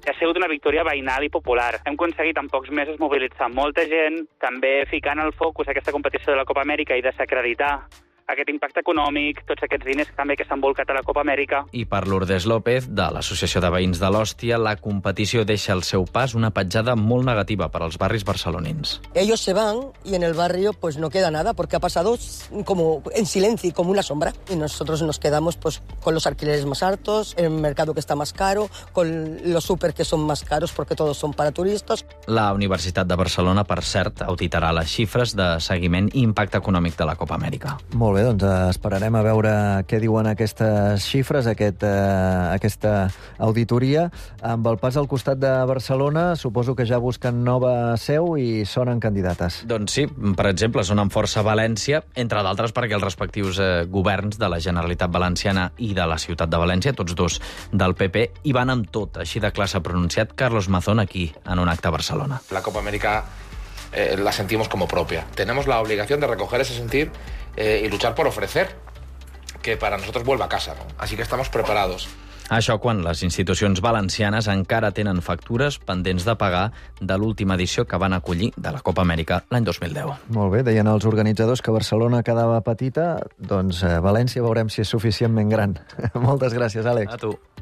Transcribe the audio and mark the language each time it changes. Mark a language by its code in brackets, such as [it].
[ca] Ha sigut una victòria veïnal i popular. Hem aconseguit en pocs mesos mobilitzar molta gent, també ficant el focus a aquesta competició de la Copa Amèrica i desacreditar aquest impacte econòmic, tots aquests diners també que s'han volcat a la Copa Amèrica. I per Lourdes López, de l'Associació de Veïns de l'Hòstia, la competició deixa al seu pas una petjada molt negativa per als barris barcelonins. [es] Ellos se van y en el barrio pues no queda nada, porque ha pasado como en silencio, como una sombra. Y nosotros nos quedamos pues con los alquileres más altos, el mercado que está más caro, con los súper que son más caros porque todos son para turistas. [ca] La Universitat de Barcelona, per cert, auditarà les xifres de seguiment i impacte econòmic de la Copa Amèrica. Molt bé, doncs esperarem a veure què diuen aquestes xifres, aquesta auditoria. Amb el pas al costat de Barcelona, suposo que ja busquen nova seu i sonen candidates. Doncs sí, per exemple, sonen força València, entre d'altres perquè els respectius governs de la Generalitat Valenciana i de la Ciutat de València, tots dos del PP, hi van amb tot, així de classe pronunciat Carlos Mazón aquí, en un acte a Barcelona. [es] La Copa Amèrica la sentimos como propia. Tenemos la obligación de recoger ese sentir y luchar por ofrecer que para nosotros vuelva a casa, ¿no? Así que estamos preparados. [ca] Això quan les institucions valencianes encara tenen factures pendents de pagar de l'última edició que van acollir de la Copa Amèrica l'any 2010. Molt bé, deien els organitzadors que Barcelona quedava petita, doncs València veurem si és suficientment gran. Moltes gràcies, Àlex. A tu.